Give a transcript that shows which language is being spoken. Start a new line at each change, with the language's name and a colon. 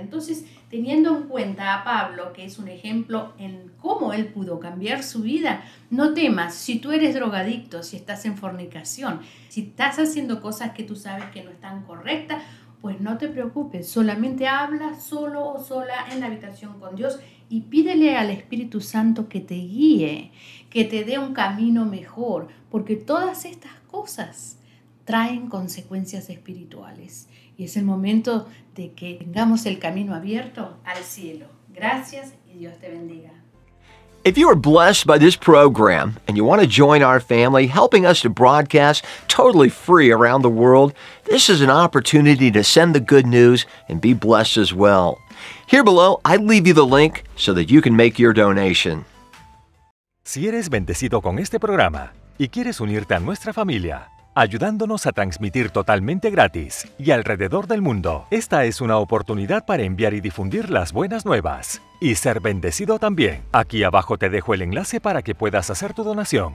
Spanish: Entonces, teniendo en cuenta a Pablo, que es un ejemplo en cómo él pudo cambiar su vida, no temas si tú eres drogadicto, si estás en fornicación, si estás haciendo cosas que tú sabes que no están correctas, pues no te preocupes, solamente habla solo o sola en la habitación con Dios y pídele al Espíritu Santo que te guíe, que te dé un camino mejor, porque todas estas cosas traen consecuencias espirituales y es el momento de que tengamos el camino abierto al cielo. Gracias y Dios te bendiga.
English: If you are blessed by this program and you want to join our family, helping us to broadcast totally free around the world, this is an opportunity to send the good news and be blessed as well. Here below, I leave you the link so that you can make your donation.
Spanish: Si eres bendecido con este programa y quieres unirte a nuestra familia, ayudándonos a transmitir totalmente gratis y alrededor del mundo, esta es una oportunidad para enviar y difundir las buenas nuevas y ser bendecido también. Aquí abajo te dejo el enlace para que puedas hacer tu donación.